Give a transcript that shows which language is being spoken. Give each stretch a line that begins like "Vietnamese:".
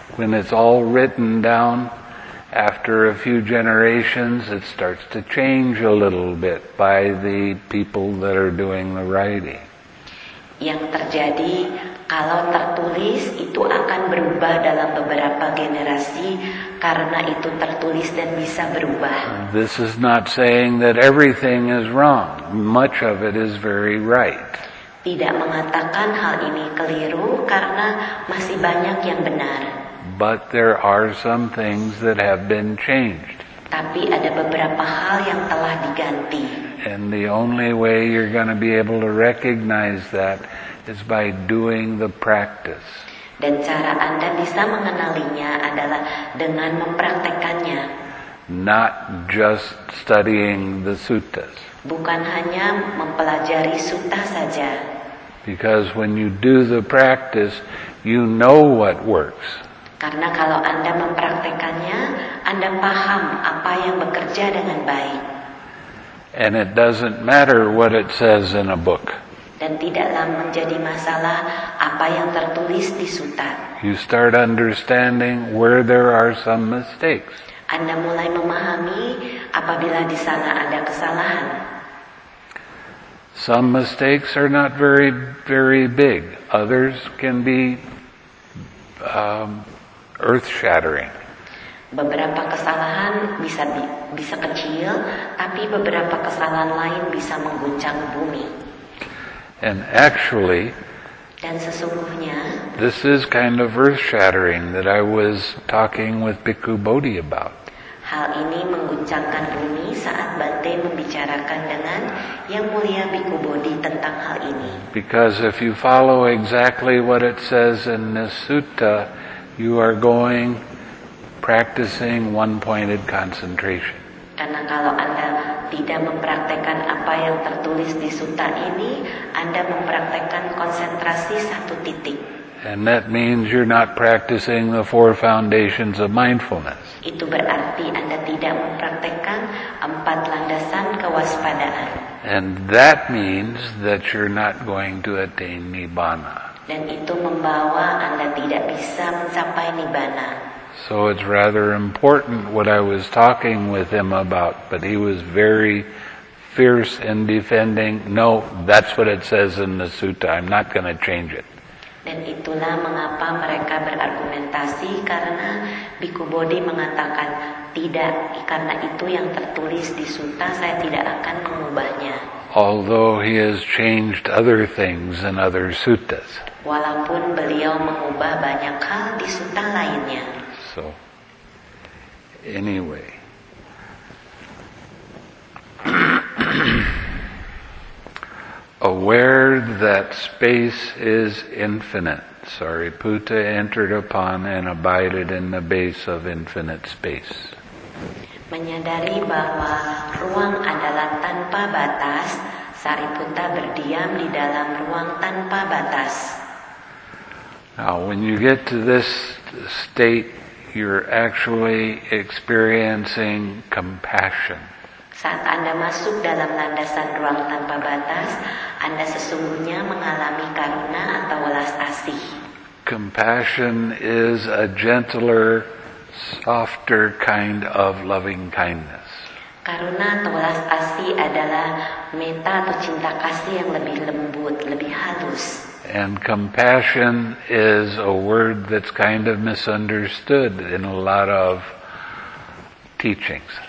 English: When it's all written down, after a few generations it starts to change a little bit by the people that are doing the writing.
Indonesian: Yang terjadi kalau tertulis itu akan berubah dalam beberapa generasi karena itu tertulis dan bisa berubah.
English: This is not saying that everything is wrong. Much of it is very right.
Indonesian: Tidak mengatakan hal ini keliru karena masih banyak yang benar.
English: But there are some things that have been changed.
Indonesian: Tapi ada beberapa hal yang telah diganti.
English: And the only way you're going to be able to recognize that is by doing the practice.
Indonesian: Dan cara Anda bisa mengenalinya adalah dengan mempraktikkannya.
English: Not just studying the suttas.
Indonesian: Bukan hanya mempelajari sutta saja.
English: Because when you do the practice, you know what works.
Indonesian: Karena kalau Anda mempraktikkannya, Anda paham apa yang bekerja dengan baik.
English: And it doesn't matter what it says in a book.
Indonesian: Dan tidaklah menjadi masalah apa yang tertulis di sutta.
English: You start understanding where there are some mistakes.
Indonesian: Anda mulai memahami apabila di sana ada kesalahan.
English: Some mistakes are not very, very big. Others can be earth-shattering.
Indonesian: Beberapa kesalahan bisa kecil, tapi beberapa kesalahan lain bisa mengguncang bumi.
English: And actually,
Indonesian: dan sesungguhnya,
English: this is kind of earth-shattering that I was talking with Bhikkhu Bodhi about.
Indonesian: Hal ini mengguncangkan bumi saat Bante membicarakan dengan Yang Mulia Bhikkhu Bodhi tentang hal ini.
English: Because if you follow exactly what it says in this sutta, you are going practicing one-pointed concentration.
Indonesian: Karena kalau Anda tidak mempraktekkan apa yang tertulis di sutta ini, Anda mempraktekkan konsentrasi satu titik.
English: And that means you're not practicing the four foundations of mindfulness.
Indonesian: Itu berarti Anda tidak mempraktekkan empat landasan kewaspadaan.
English: And that means that you're not going to attain nibbana.
Indonesian: Dan itu membawa Anda tidak bisa mencapai nibbana.
English: So it's rather important what I was talking with him about, but he was very fierce in defending, no, that's what it says in the sutta, I'm not going to change it.
Indonesian: Dan itulah mengapa mereka berargumentasi karena Bhikkhu Bodhi mengatakan tidak, karena itu yang tertulis di sutta, saya tidak akan mengubahnya.
English: Although he has changed other things in other suttas.
Indonesian: Walaupun beliau mengubah banyak hal di sutta lainnya.
English: So, anyway. Aware that space is infinite, Sariputta entered upon and abided in the base of infinite space.
Indonesian: Menyadari bahwa ruang adalah tanpa batas, Sariputta berdiam di dalam ruang tanpa batas.
English: Now, when you get to this state, you're actually experiencing compassion.
Indonesian: Saat Anda masuk dalam landasan ruang tanpa batas, Anda sesungguhnya mengalami karuna atau welas asih.
English: Compassion is a gentler, softer kind of loving kindness.
Indonesian: Karuna atau welas asih adalah metta atau cinta kasih yang lebih lembut, lebih halus.
English: And compassion is a word that's kind of misunderstood in a lot of teachings.